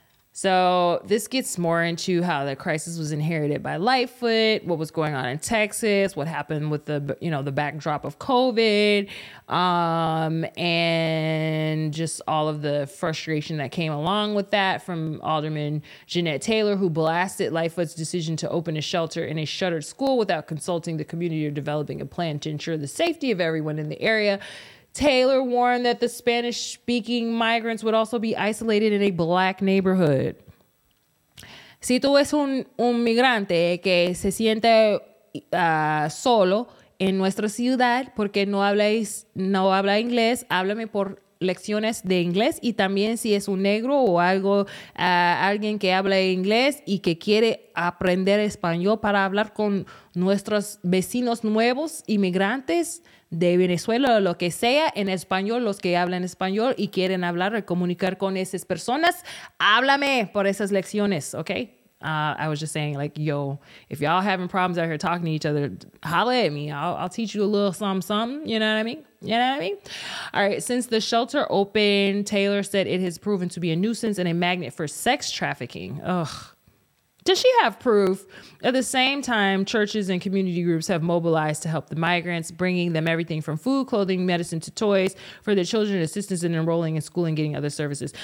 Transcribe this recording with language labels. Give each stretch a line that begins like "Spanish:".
English: So this gets more into how the crisis was inherited by Lightfoot, what was going on in Texas, what happened with the backdrop of COVID, and just all of the frustration that came along with that from Alderman Jeanette Taylor, who blasted Lightfoot's decision to open a shelter in a shuttered school without consulting the community or developing a plan to ensure the safety of everyone in the area. Taylor warned that the Spanish-speaking migrants would also be isolated in a black neighborhood.
Spanish: Si tú eres un migrante que se siente solo en nuestra ciudad porque no habla inglés, háblame por lecciones de inglés. Y también si es un negro o algo, alguien que habla inglés y que quiere aprender español para hablar con nuestros vecinos nuevos inmigrantes, de Venezuela o lo que sea, en español, los que hablan español y quieren hablar o comunicar con esas personas, háblame por esas lecciones, okay?
English: I was just saying, like, yo, if y'all having problems out here talking to each other, holla at me. I'll teach you a little something, you know what I mean? All right, since the shelter opened, Taylor said it has proven to be a nuisance and a magnet for sex trafficking. Ugh. Does she have proof? At the same time, churches and community groups have mobilized to help the migrants, bringing them everything from food, clothing, medicine, to toys for their children, assistance in enrolling in school and getting other services.